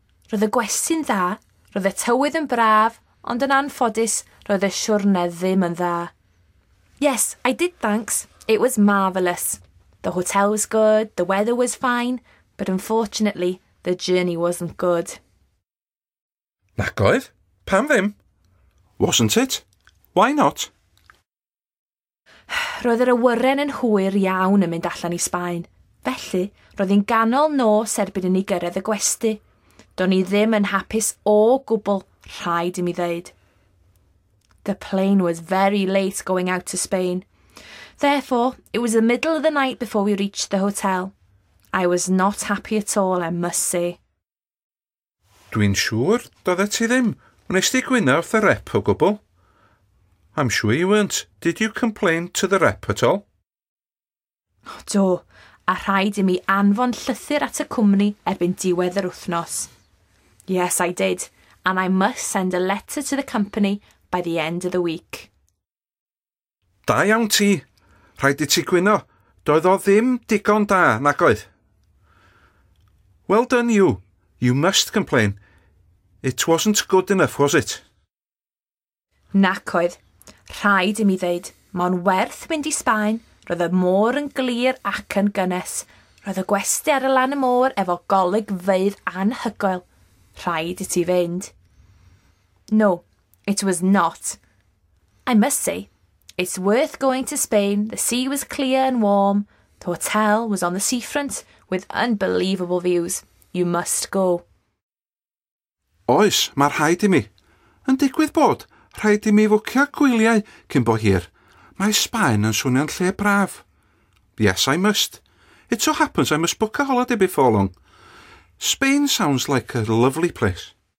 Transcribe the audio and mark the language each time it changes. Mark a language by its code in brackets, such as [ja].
[cy] Roedd y gwesty'n dda, roedd y tywydd yn braf, ond yn anffodus, roedd y siwrne ddim yn dda. [en] Yes, I did, thanks. It was marvellous. The hotel was good, the weather was fine, but unfortunately, the journey wasn't good. [cy] Nac oedd? Pam ddim? [en] Wasn't it? Why not? [cy] Roedd yr awyren yn hwyr iawn yn mynd allan i Sbaen. Felly, roedd hi'n ganol nos erbyn i ni gyrraedd y gwesty. Do'n i ddim yn hapus o gwbl, rhaid i mi ddeud. [en] The plane was very late going out to Spain. Therefore, it was the middle of the night before we reached the hotel. I was not happy at all, I must say. [cy] Dwi'n siŵr, doeddet ti ddim. Wnes ti gwyno wrth y rep o gwbl. [en] I'm sure you weren't. Did you complain to the rep at all? [cy] Oh, do, a rhaid i mi anfon llythyr at y cwmni erbyn diwedd yr wythnos. [en] Yes, I did, and I must send a letter to the company by the end of the week. [cy] Da iawn ti. Rhaid i ti gwyno. Doedd o ddim digon da, nag oedd. [en] Well done you. You must complain. It wasn't good enough, was it? [cy] Nac oedd. Rhaid i mi ddeud, mae'n werth mynd i Sbaen, roedd y môr yn glir ac yn gynnes. Roedd y gwesty ar y lan y môr efo golygfeydd anhygoel. Rhaid i ti fynd. [en] No, it was not. I must say, it's worth going to Spain. The sea was clear and warm. The hotel was on the seafront with unbelievable views. You must go. [cy] Oes, mae'r rhaid i mi. Yn digwydd bod, rhaid i mi fwcio gwyliau cyn bo hir. Mae Sbaen yn swnio'n lle braf. [en] Yes, I must. It so happens I must book a holiday before long. Spain sounds like a lovely place.